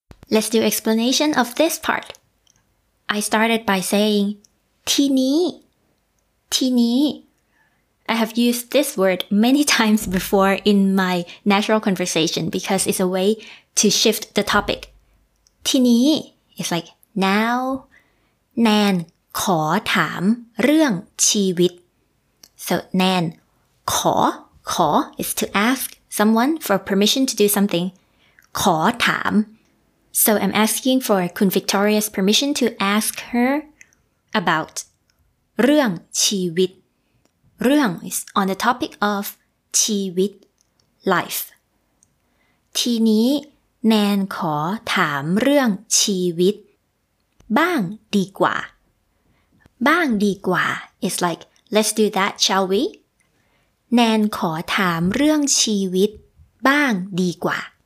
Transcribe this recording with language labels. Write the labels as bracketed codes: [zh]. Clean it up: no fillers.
[en] Let's do explanation of this part. I started by saying ทีนี้ I have used this word many times before in my natural conversation because it's a way to shift the topic. ทีนี้ it's like now. [th] Nan ขอถามเรื่องชีวิต. [en] So Nan ขอ is to ask someone for permission to do something. ขอถาม. So I'm asking for Kun Victoria's permission to ask her about เรื่องชีวิต. [th] เรื่อง is on the topic of ชีวิต life ทีนี้แนนขอถามเรื่องชีวิตบ้างดีกว่าบ้างดีกว่า is like let's do that shall we แนนขอถามเรื่องชีวิตบ้างดีกว่า